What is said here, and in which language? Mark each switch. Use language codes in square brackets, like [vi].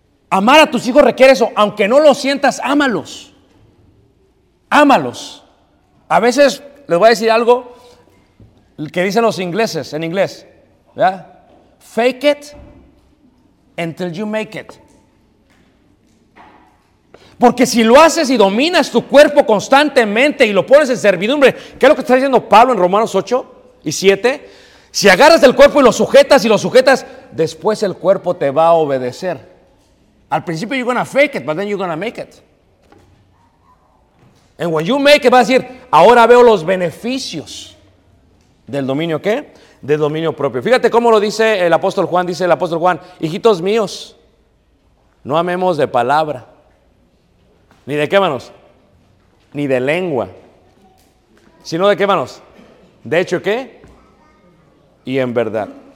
[es] Amar a tus hijos requiere eso. Aunque no lo sientas, ámalos. Ámalos. A veces, les voy a decir algo que dicen los ingleses, en inglés, ¿verdad? [en] Fake it until you make it. [es] Porque si lo haces y dominas tu cuerpo constantemente y lo pones en servidumbre, ¿qué es lo que está diciendo Pablo en Romanos 8 y 7? Si agarras el cuerpo y lo sujetas y lo sujetas, después el cuerpo te va a obedecer. Al principio [en] you're gonna fake it, but then you're gonna make it. And when you make it, [es] vas a decir, ahora veo los beneficios del dominio, ¿qué? De dominio propio. Fíjate cómo lo dice el apóstol Juan, dice el apóstol Juan, hijitos míos, no amemos de palabra. ¿Ni de qué, manos? Ni de lengua. ¿Sino de qué, manos? De hecho, ¿qué? Y en verdad.